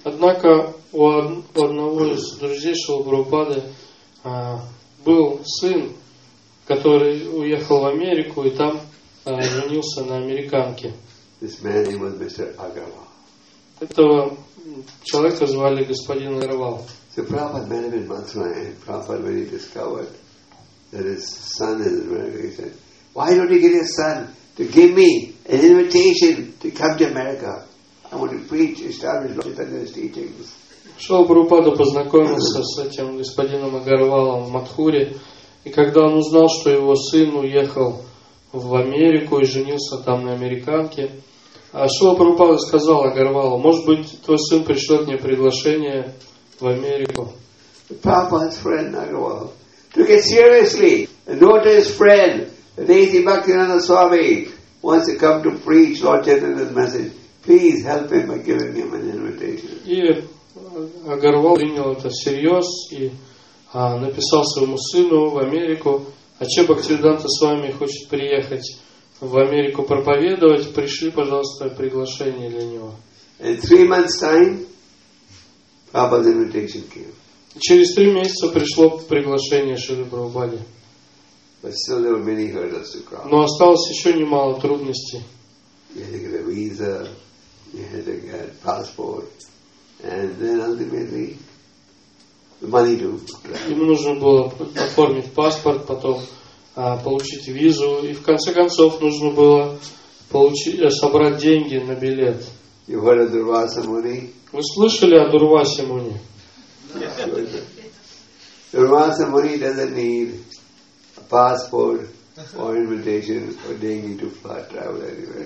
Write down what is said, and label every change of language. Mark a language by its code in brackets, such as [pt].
[ru] Однако у одного из друзей Шрилы Прабхупады был сын, который уехал в Америку и там женился на американке. [en] This man was Mr. Agarwal. [ru] Этого человека звали господин Агарвал. [en] So Prabhupada met him in Mathura, and Prabhupada really discovered that his son is America. He said, why don't you get your son to give me an invitation to come to America? I want to preach, establish Lord Chaitanya's teachings. [ru] Шрила Прабхупада познакомился с этим господином Агарвалом в Матхуре, и когда он узнал, что его сын уехал в Америку и женился там на американке, Шрила Прабхупада сказал Агарвалу, может быть, твой сын пришлет мне приглашение в Америку. [en] Prabhupada's friend Agarwal took it seriously and wrote to his friend Lady Bhaktivinoda Swami wants to come to preach Lord Chaitanya's message. Please help him by giving him an invitation. [ru] И Агарвал принял это всерьез и написал своему сыну в Америку, а че Бхактивинода Свами хочет приехать в Америку проповедовать, пришли, пожалуйста, приглашение для него. [en] In 3 months' time, Prabhupada's invitation came. [ru] Через 3 месяца пришло приглашение Шрилы Прабхупады. [en] But still there were many hurdles to cross. [ru] Но осталось еще немало трудностей. [en] You had to get a visa, you had to get a passport, and then ultimately the money to travel. [ru] Ему нужно было оформить паспорт, потом получить визу, и в конце концов нужно было собрать деньги на билет. [en] You heard of Durvasa Muni? [ru] Вы слышали о Дурвасе Муни? [en] Durvasa Muni doesn't need a passport or invitation or deni to fly travel anywhere.